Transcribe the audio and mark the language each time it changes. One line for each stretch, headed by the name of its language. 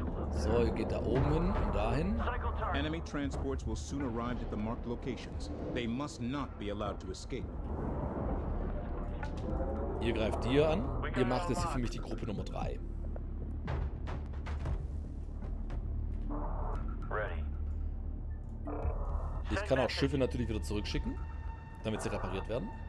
German: So, ihr geht da oben hin und dahin.
English: Enemy transports will soon arrive at the marked locations. They must not be allowed to escape.
German: Ihr greift dir an. Ihr macht jetzt für mich die Gruppe Nummer 3. Ich kann auch Schiffe natürlich wieder zurückschicken, damit sie repariert werden.